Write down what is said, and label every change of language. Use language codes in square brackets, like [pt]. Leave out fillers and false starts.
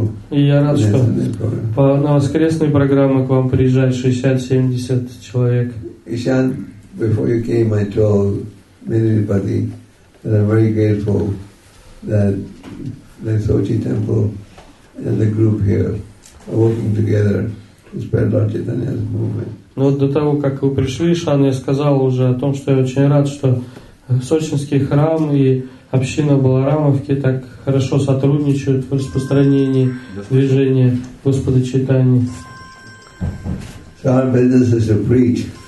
[ru] И я рад, что по на воскресной программе к вам приезжает 60-70 человек. [en] Ишан, before you came, I told Миллипати that I'm very grateful that the Sochi Temple and the group here are working together to spread Lord Chaitanya's movement. [ru] Но до того, как вы пришли, Шан, я сказал уже о том, что я очень рад, что Сочинский храм и община Баларамовки так хорошо сотрудничают в распространении движения Господа Чайтаньи. [en] So our business is to preach.